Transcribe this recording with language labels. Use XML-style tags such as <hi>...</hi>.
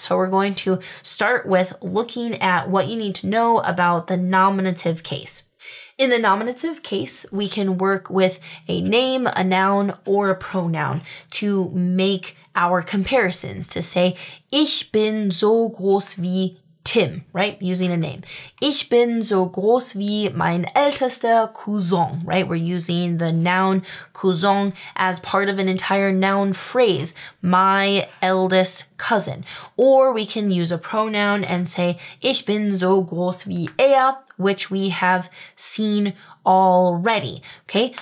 <en>So we're going to start with looking at what you need to know about the nominative case. In the nominative case, we can work with a name, a noun, or a pronoun to make our comparisons, to say,</en> <de>ich bin so groß wie Tim,</de> <en>right? Using a name.</en> <de>Ich bin so groß wie mein ältester Cousin, right?</de> <en>We're using the noun Cousin as part of an entire noun phrase, my eldest cousin. Or we can use a pronoun and say,</en> <de>ich bin so groß wie er,</de> <en>which we have seen already, okay?</en>